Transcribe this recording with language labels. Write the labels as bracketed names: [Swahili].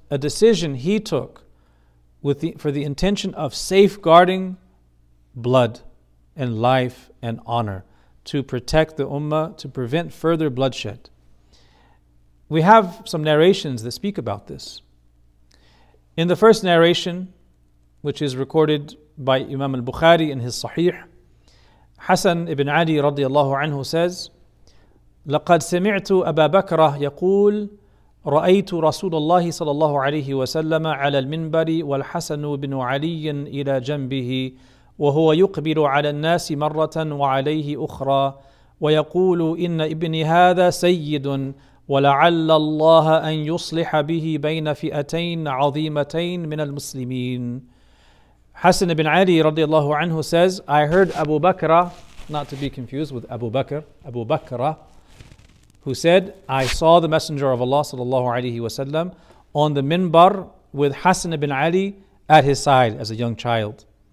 [English] a decision he took with the, for the intention of safeguarding blood and life and honor, to protect the ummah, to prevent further bloodshed. We have some narrations that speak about this. In the first narration, which is recorded by Imam al-Bukhari in his Sahih, Hasan ibn Ali radiallahu anhu says, [Arabic] لَقَدْ سَمِعْتُ أَبَا بَكْرَ يَقُولُ رَأَيْتُ رَسُولَ اللَّهِ صَلَى اللَّهُ عَلَيْهِ وَسَلَّمَ عَلَى الْمِنْبَرِ وَالْحَسَنُ بْنُ عَلِيٍّ إِلَى جَنْبِهِ وَهُوَ يُقْبِلُ عَلَى النَّاسِ مَرَّةً وَعَلَيْهِ أُخْرَى وَيَقُولُ إِنَّ ابْنِي هَذَا سَيِّدٌ وَلَعَلَّ اللَّهَ أَنْ يُصْلِحَ بِهِ بَيْنَ فِئَتَيْنِ عَظِيمَتَيْنِ مِنَ الْمُسْلِمِينَ. [English] Hasan ibn Ali radiallahu anhu says, I heard Abu Bakra, not to be confused with Abu Bakr, Abu Bakra, who said, I saw the Messenger of Allah sallallahu alayhi wa sallam on the minbar with Hasan ibn Ali at his side as a young child.